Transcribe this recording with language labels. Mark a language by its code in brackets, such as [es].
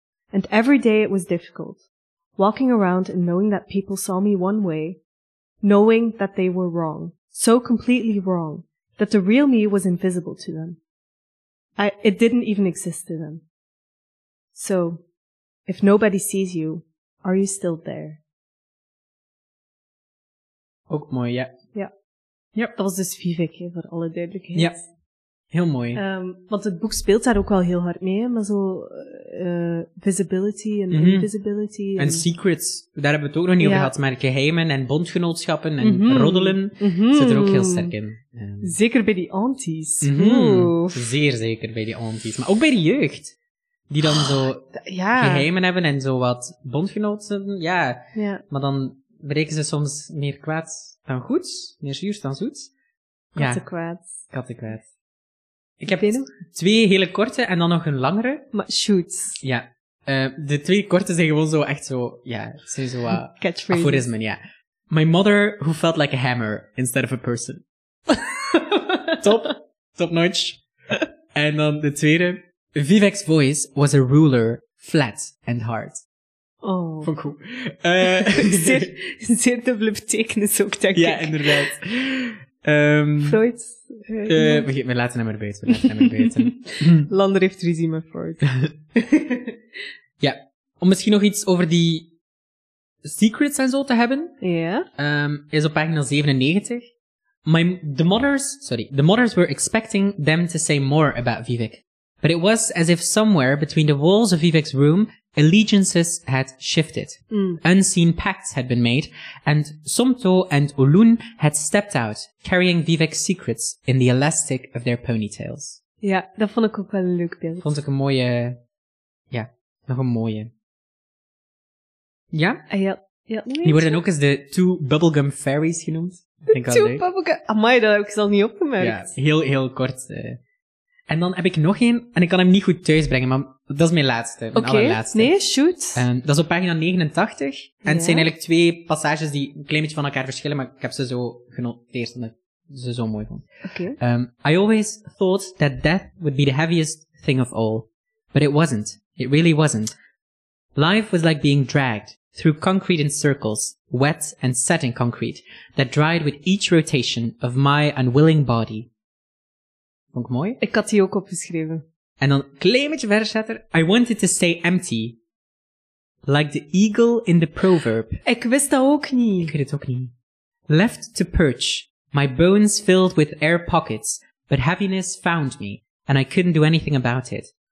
[en] And every day it was difficult, walking around and knowing that people saw me one way, knowing that they were wrong, so completely wrong, that the real me was invisible to them. It didn't even exist to them. So, if nobody sees you, are you still there? [nl] Ook mooi, ja. Ja. Ja. Dat was dus Vivek, hè, voor alle duidelijkheid. Ja. Heel mooi. Want het boek speelt daar ook wel heel hard mee, maar zo visibility en invisibility. En secrets, daar hebben we het ook nog niet over gehad, maar geheimen en bondgenootschappen en roddelen zit er ook heel sterk in. Zeker bij die aunties. Mm-hmm. Zeer zeker bij die aunties, maar ook bij de jeugd. Die dan zo geheimen hebben en zo wat bondgenoten. Ja. Ja. Maar dan breken ze soms meer kwaad dan goed. Meer zuur dan zoet. Kattenkwaad. Ja. Kattenkwaad. Ik heb twee hele korte en dan nog een langere. Maar shoot. Ja. De twee korte zijn gewoon zo echt zo... Ja, zijn zo wat... [en] Catchphrases. [nl] Aforismen, ja. [en] My mother who felt like a hammer instead of a person. Top. Top notch. [nl] En dan de tweede. [en] Vivek's voice was a ruler, flat and hard. Oh. [nl] Vond ik goed. zeer dubbele betekenis ook, denk ik. Ja, inderdaad. Freud. We laten hem er beter. Laten hem er beter. Lander heeft ruzie met Freud. Ja. Om misschien nog iets over die secrets en zo te hebben. Ja. Yeah. Is op pagina 97. [en] The mothers were expecting them to say more about Vivek. But it was as if somewhere between the walls of Vivek's room, allegiances had shifted. Mm. Unseen pacts had been made, and Somto and Olun had stepped out, carrying Vivek's secrets in the elastic of their ponytails. [nl] Ja, dat vond ik ook wel een leuk beeld. Vond ik een mooie... Ja, nog een mooie. Ja? Ja. Die worden ook eens de two bubblegum fairies genoemd. [en] Two bubblegum... [nl] Amai, dat heb ik zelf niet opgemerkt. Ja, heel, heel kort... En dan heb ik nog één, en ik kan hem niet goed thuisbrengen, maar dat is mijn laatste, mijn allerlaatste. Oké, nee, shoot. Dat is op pagina 89, en het zijn eigenlijk twee passages die een klein beetje van elkaar verschillen, maar ik heb ze zo genoteerd omdat ik ze zo mooi vond. Oké. [en] I always thought that death would be the heaviest thing of all, but it wasn't. It really wasn't. Life was like being dragged through concrete in circles, wet and set in concrete, that dried with each rotation of my unwilling body. [nl] Vond ik mooi. Ik had die ook opgeschreven. En dan een klein beetje verder staat er. [en] I wanted to stay empty. Like the eagle in the proverb. [nl] Ik wist dat ook niet. Ik weet het ook niet. [en] Left to perch. My bones filled with air pockets. But heaviness found me. And I couldn't do anything about it.